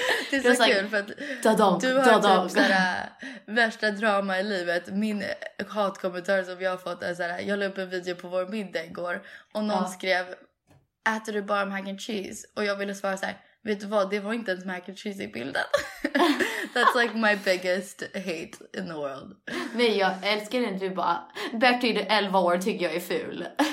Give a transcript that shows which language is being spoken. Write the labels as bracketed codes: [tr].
[sv] Det är så kul för att du har typ värsta drama i livet. Min hatkommentar som jag har fått är såhär, jag la upp en video på vår middag igår och någon skrev, äter du bara mac and cheese? Och jag ville svara såhär, vet du vad, det var inte ens mac and cheese i bilden. [en] That's like my biggest hate in the world. [sv] Nej, jag älskar inte du bara, Bertie, 11 år tycker jag är ful.